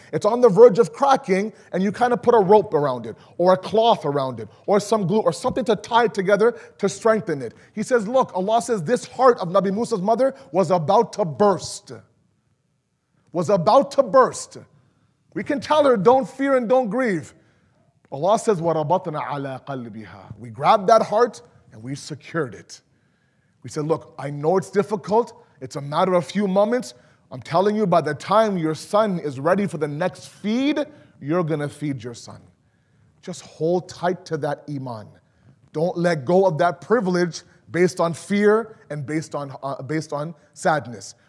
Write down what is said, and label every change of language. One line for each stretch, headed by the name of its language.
English: It's on the verge of cracking and you kind of put a rope around it or a cloth around it or some glue or something to tie it together to strengthen it. He says, look, Allah says this heart of Nabi Musa's mother was about to burst. Was about to burst. We can tell her, don't fear and don't grieve. Allah says,
Arabic: وَرَبَطْنَا عَلَىٰ قَلْبِهَا.
English: We grabbed that heart and we secured it. We said, look, I know it's difficult. It's a matter of a few moments. I'm telling you, by the time your son is ready for the next feed, you're going to feed your son. Just hold tight to that iman. Don't let go of that privilege based on fear and based on sadness.